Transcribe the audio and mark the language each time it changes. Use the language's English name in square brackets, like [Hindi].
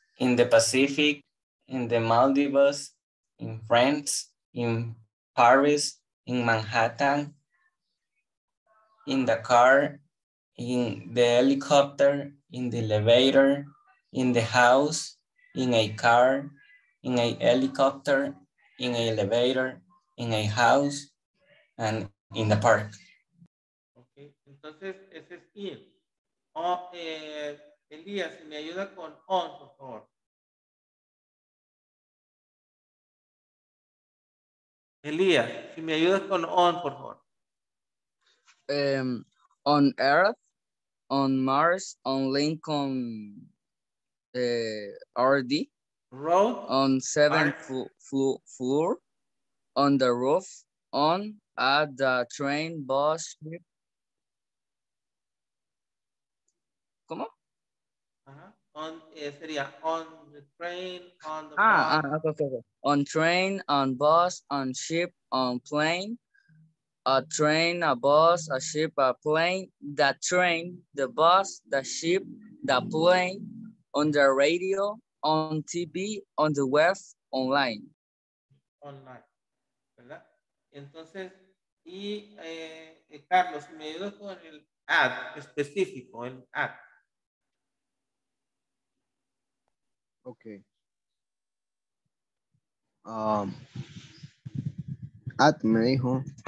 [English] in the Pacific, in the Maldives, in France, in Paris, in Manhattan, in the car, in the helicopter, in the elevator, in the house, in a car, in a helicopter, in a elevator, in a house, and in the park. [Spanish] Okay, entonces ese es ir. Oh, Elías, si me ayuda con on, por favor. Elías, si me ayudas con on, por favor. [English] On Earth, on Mars, on Lincoln, RD, road, on seventh floor, on the roof, on at the train, bus, ship. [Spanish] ¿Cómo? [English] Uh-huh. On train, on bus, on ship, on plane. A train, a bus, a ship, a plane, the train, the bus, the ship, the plane, on the radio, on TV, on the web, online. [Spanish] Online, ¿verdad? Entonces, y Carlos, me ayuda con el ad específico, el ad. [English] Okay. [Spanish] Ad me dijo.